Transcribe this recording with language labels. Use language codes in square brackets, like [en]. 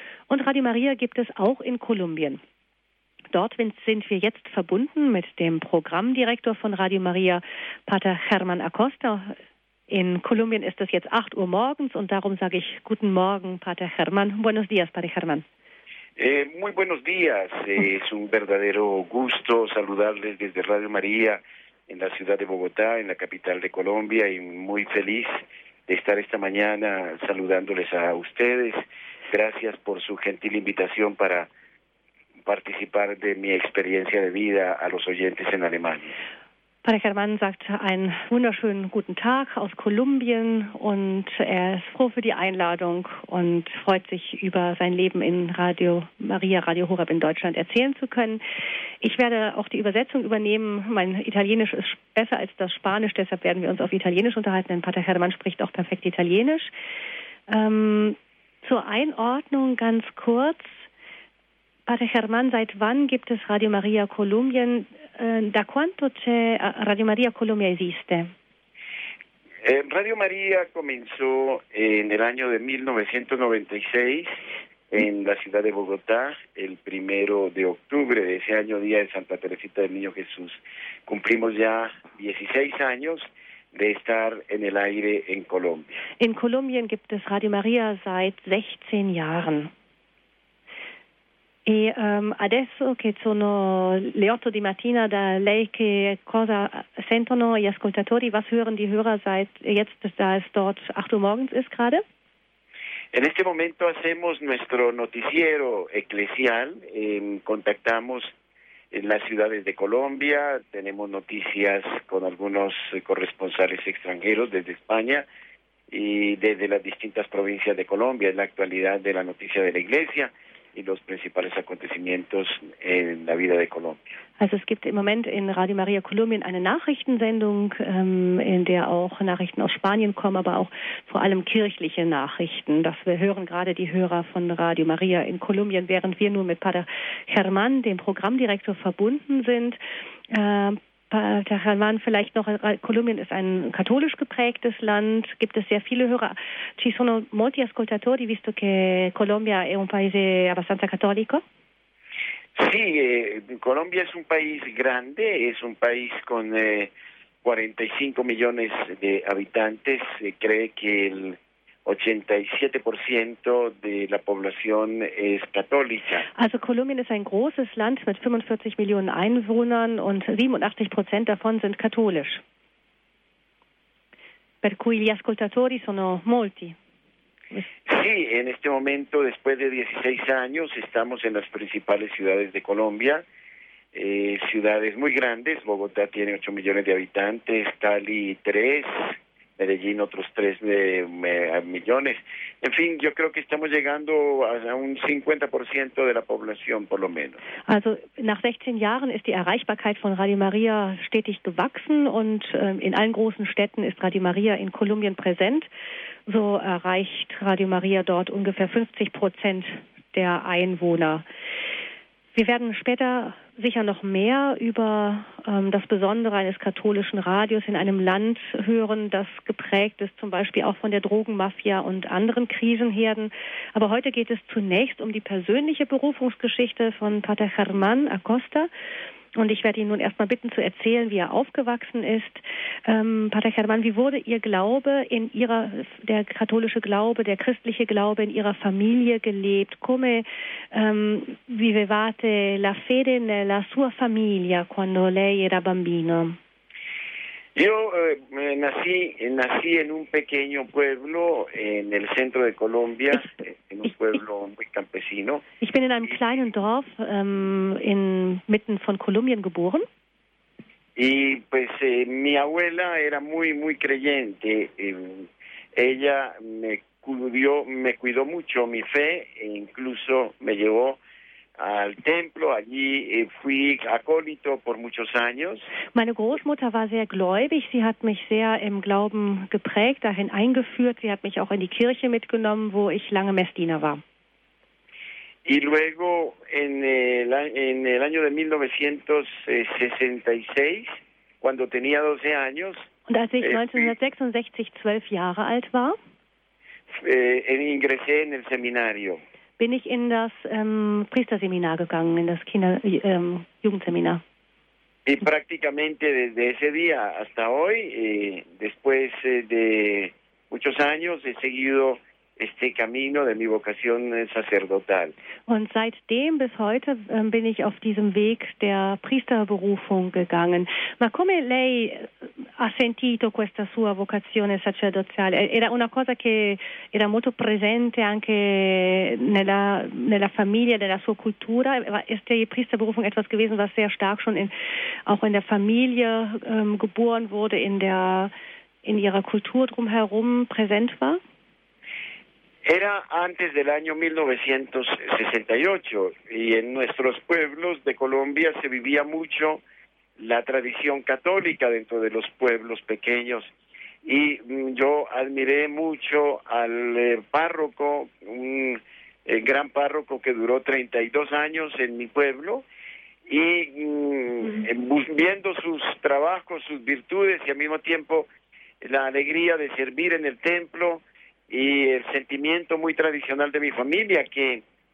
[de] Und Radio Maria gibt es auch in Kolumbien. Dort sind wir jetzt verbunden mit dem Programmdirektor von Radio Maria, Pater Germán Acosta. In Kolumbien ist es jetzt 8 Uhr morgens und darum sage ich guten Morgen, Pater Germán. [es] Buenos días, Pater Germán. Muy buenos días. Es un verdadero gusto saludarles desde Radio Maria en la ciudad de Bogotá, en la capital de Colombia, y muy feliz de estar esta mañana saludándoles a ustedes. Gracias por su gentil invitación para participar de mi experiencia de vida a los oyentes en Alemania. [de] Pater Germán sagt einen wunderschönen guten Tag aus Kolumbien und er ist froh für die Einladung und freut sich über sein Leben in Radio Maria, Radio Horeb in Deutschland erzählen zu können. Ich werde auch die Übersetzung übernehmen. Mein Italienisch ist besser als das Spanisch, deshalb werden wir uns auf Italienisch unterhalten, denn Pater Germán spricht auch perfekt Italienisch. Zur Einordnung ganz kurz. Pater Germán, seit wann gibt es Radio Maria Kolumbien? [it] Da quanto c'è Radio Maria Colombia esiste? [es] Radio Maria comenzó en el año de 1996 en la ciudad de Bogotá, el primero de octubre de ese año, día de Santa Teresita del Niño Jesús. Cumplimos ya 16 años de estar en el aire en Colombia. [de] In Kolumbien gibt es Radio Maria seit 16 Jahren. [it] E adesso che sono le 8 di mattina da lei, che cosa sentono gli ascoltatori? [de] Was hören die Hörer seit jetzt, da es dort 8 Uhr morgens ist gerade? [es] En este momento hacemos nuestro noticiero eclesial. Contactamos en las ciudades de Colombia. Tenemos noticias con algunos corresponsales extranjeros desde España y desde las distintas provincias de Colombia. Es la actualidad de la noticia de la Iglesia y los principales acontecimientos en la vida de Colombia. [de] Also es gibt im Moment in Radio Maria Kolumbien eine Nachrichtensendung, in der auch Nachrichten aus Spanien kommen, aber auch vor allem kirchliche Nachrichten. Das wir hören gerade die Hörer von Radio Maria in Kolumbien, während wir nun mit Pater Germán, dem Programmdirektor, verbunden sind. Pater Germán, vielleicht noch, Kolumbien ist ein katholisch geprägtes Land, gibt es sehr viele Hörer. [it] Ci sono molti ascoltatori, visto che Colombia è un paese abbastanza cattolico? Sì, Colombia è un paese grande, è un paese con 45 milioni di abitanti. Cree che il 87% della popolazione è cattolica. [de] Also Kolumbien ist ein großes Land mit 45 Millionen Einwohnern und 87% davon sind katholisch. [it] Per cui gli ascoltatori sono molti. Sì, in questo momento, [es] después de 16 años, estamos en las principales ciudades de Colombia, ciudades muy grandes. Bogotá tiene 8 millones de habitantes, Cali 3, Medellín otros 3 millones. En fin, yo creo que estamos llegando a un 50% de la población, por lo menos. [de] Also, nach 16 Jahren ist die Erreichbarkeit von Radio Maria stetig gewachsen und in allen großen Städten ist Radio Maria in Kolumbien präsent. So erreicht Radio Maria dort ungefähr 50% der Einwohner. Wir werden später sicher noch mehr über das Besondere eines katholischen Radios in einem Land hören, das geprägt ist zum Beispiel auch von der Drogenmafia und anderen Krisenherden. Aber heute geht es zunächst um die persönliche Berufungsgeschichte von Pater Germán Acosta. Und ich werde ihn nun erstmal bitten zu erzählen, wie er aufgewachsen ist. Pater Germán, wie wurde Ihr Glaube in Ihrer, der katholische Glaube, der christliche Glaube in Ihrer Familie gelebt? [it] Come vivevate la fede nella sua famiglia quando lei era bambino? [es] Io nací in un pequeño pueblo en el centro de Colombia, en un pueblo muy campesino. [de] Ich bin in einem kleinen Dorf inmitten von Kolumbien geboren. [es] Y pues mi abuela era muy muy creyente. Ella me cuidó mucho mi fe e incluso me llevó al templo, allí fui acólito por muchos años. [de] Meine Großmutter war sehr gläubig, sie hat mich sehr im Glauben geprägt, dahin eingeführt, sie hat mich auch in die Kirche mitgenommen, wo ich lange Messdiener war. [es] Y luego en el año de 1966, cuando tenía 12 años, [de] und als ich 1966 12 Jahre alt war, [es] ingresé en el seminario. [de] Bin ich in das Priesterseminar gegangen, in das Jugendseminar. [es] Y prácticamente desde ese día hasta hoy, después de muchos años, he seguido este camino de mi vocación sacerdotal. [de] Und seitdem bis heute bin ich auf diesem Weg der Priesterberufung gegangen. [it] Ma come lei ha sentito questa sua vocazione sacerdotale? Era una cosa che era molto presente anche nella famiglia, nella sua cultura. [de] Ist die Priesterberufung etwas gewesen, was sehr stark schon auch in der Familie geboren wurde, in ihrer Kultur drumherum präsent war? [es] Era antes del año 1968 y en nuestros pueblos de Colombia se vivía mucho la tradición católica dentro de los pueblos pequeños y yo admiré mucho al párroco, un gran párroco que duró 32 años en mi pueblo y viendo sus trabajos, sus virtudes y al mismo tiempo la alegría de servir en el templo y el sentimiento muy tradicional de mi familia que